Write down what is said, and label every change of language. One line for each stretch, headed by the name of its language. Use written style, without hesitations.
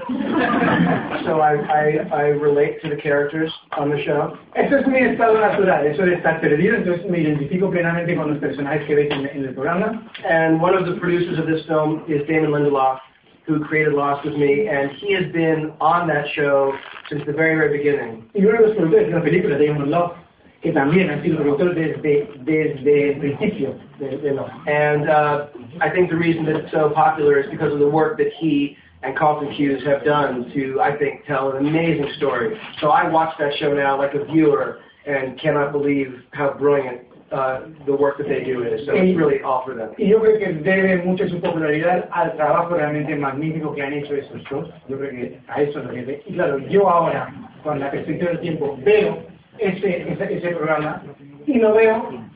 English: So I relate to the characters on the show.
Spanish: Eso es mi estado natural, eso de estar perdido, entonces me identifico plenamente con los personajes que ves en el programa.
English: And one of the producers of this film is Damon Lindelof, who created Lost with me, and he has been on that show since the very, very beginning.
Spanish: Y uno de los productores de la película, Damon Lindelof, que también ha sido productor desde el principio.
English: And I think the reason that it's so popular is because of the work that he and Carlton Cuse have done to, I think, tell an amazing story. So I watch that show now like a viewer and cannot believe how brilliant the work that they do is. So it's really all for them.
Spanish: Y yo creo que debe mucho su popularidad al trabajo realmente magnífico que han hecho esos shows. Yo creo que a eso lo debe. Y claro, yo ahora, con la perspectiva del tiempo, veo ese programa y lo veo...